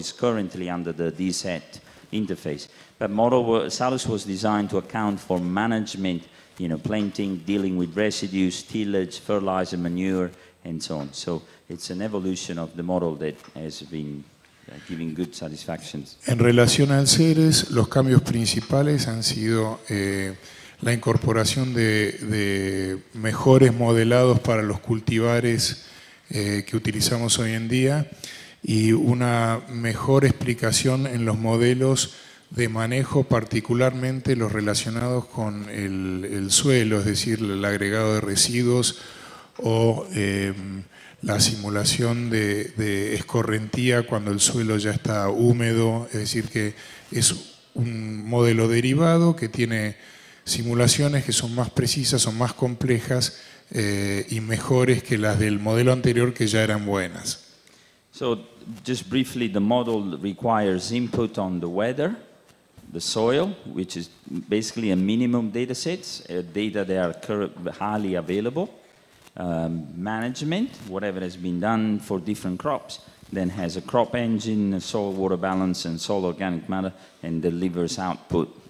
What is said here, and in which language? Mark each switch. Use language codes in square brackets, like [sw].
[en] It's currently under the DSET interface. But Salus was designed to account for management, you know, planting, dealing with residues, tillage, fertilizer, manure, and so on. So it's an evolution of the model that has been giving good satisfactions. [es] En relación al CERES, los cambios principales han sido la incorporación de mejores modelados para los cultivares que utilizamos hoy en día y una mejor explicación en los modelos de manejo, particularmente los relacionados con el suelo, es decir, el agregado de residuos o la simulación de escorrentía cuando el suelo ya está húmedo, es decir, que es un modelo derivado que tiene simulaciones que son más precisas, son más complejas y mejores que las del modelo anterior que ya eran buenas. [en] So, just briefly, the model requires input on the weather, the soil, which is basically a minimum data set, data that are highly available, management, whatever has been done for different crops, then has a crop engine, a soil water balance and soil organic matter, and delivers output.